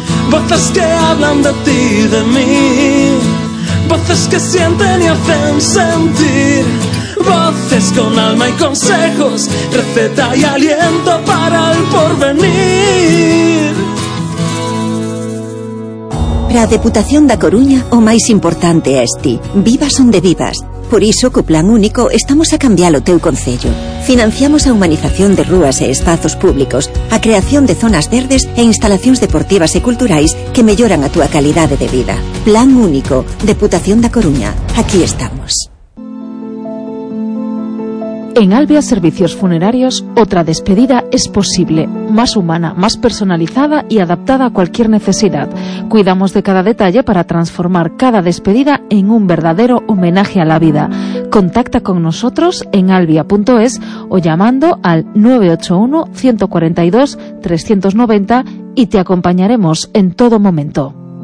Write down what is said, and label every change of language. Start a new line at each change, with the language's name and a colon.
Spanish: Voces que hablan de ti y de mí, voces que sienten y hacen sentir. Voces con alma y consejos, receta y aliento para el porvenir.
Galician: Para a Deputación da Coruña, o máis importante é ti. Vivas onde vivas. Por iso, co Plan Único, estamos a cambiar o teu concello. Financiamos a humanización de rúas e espazos públicos, a creación de zonas verdes e instalacións deportivas e culturais que melloran a túa calidade de vida. Plan Único, Deputación da Coruña. Aquí estamos.
Spanish: En Alvea Servicios Funerarios, otra despedida es posible, más humana, más personalizada y adaptada a cualquier necesidad. Cuidamos de cada detalle para transformar cada despedida en un verdadero homenaje a la vida. Contacta con nosotros en alvea.es o llamando al 981-142-390 y te acompañaremos en todo momento.